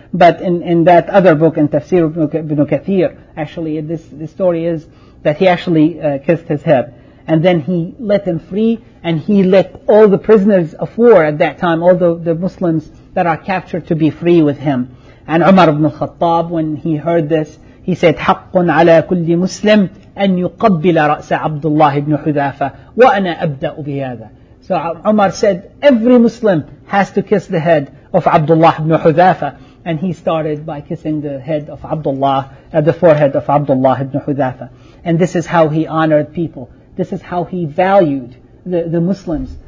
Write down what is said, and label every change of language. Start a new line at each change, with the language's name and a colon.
English: But in that other book, in Tafsir ibn Kathir, actually this story is that he actually kissed his head. And then he let him free, and he let all the prisoners of war at that time, all the Muslims that are captured, to be free with him. And Umar ibn al-Khattab, when he heard this, he said,
Arabic: حَقٌ عَلَى كُلِّ مُسْلِمٍ أَن يُقَبِّلَ رَأْسَ عَبْدُ اللَّهِ ابْنُ حُذَافَ وَأَنَا أَبْدَأُ بِهَذَا.
English: So Umar said, every Muslim has to kiss the head of Abdullah ibn Hudhafa. And he started by kissing the head of Abdullah, the forehead of Abdullah ibn Hudhafa. And this is how he honored people. This is how he valued the Muslims.